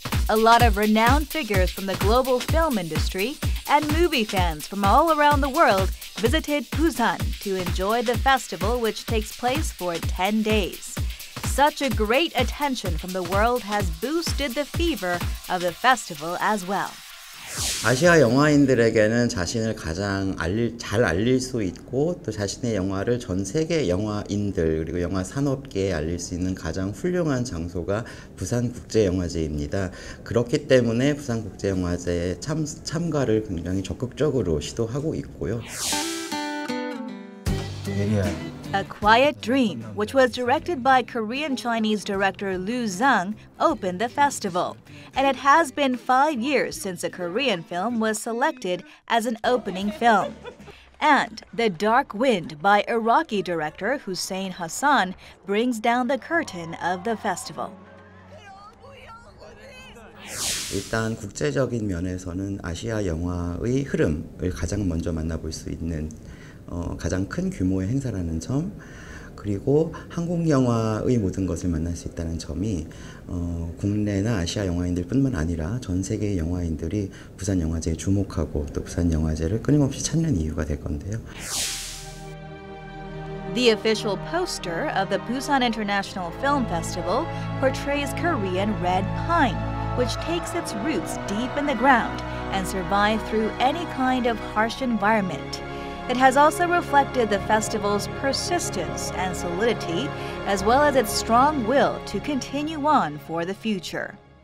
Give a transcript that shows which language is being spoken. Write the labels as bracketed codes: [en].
[en] A lot of renowned figures from the global film industry and movie fans from all around the world visited Busan to enjoy the festival, which takes place for 10 days. Such a great attention from the world has boosted the fever of the festival as well. [ko] 아시아 영화인들에게는 자신을 가장 잘 알릴 수 있고 또 자신의 영화를 전 세계 영화인들 그리고 영화 산업계에 알릴 수 있는 가장 훌륭한 장소가 부산국제영화제입니다. 그렇기 때문에 부산국제영화제에 참가를 굉장히 적극적으로 시도하고 있고요. [en] A Quiet Dream, which was directed by Korean-Chinese director Lu Zhang, opened the festival. And it has been 5 years since a Korean film was selected as an opening film. And The Dark Wind by Iraqi director Hussein Hassan brings down the curtain of the festival. [ko] 일단 국제적인 면에서는 아시아 영화의 흐름을 가장 먼저 만나볼 수 있는 가장 큰 규모의 행사라는 점, 그리고 한국 영화의 모든 것을 만날 수 있다는 점이 국내나 아시아 영화인들뿐만 아니라 전 세계의 영화인들이 부산 영화제에 주목하고 또 부산 영화제를 끊임없이 찾는 이유가 될 건데요. [en] The official poster of the Busan International Film Festival portrays Korean red pine, which takes its roots deep in the ground and survives through any kind of harsh environment. It has also reflected the festival's persistence and solidity, as well as its strong will to continue on for the future.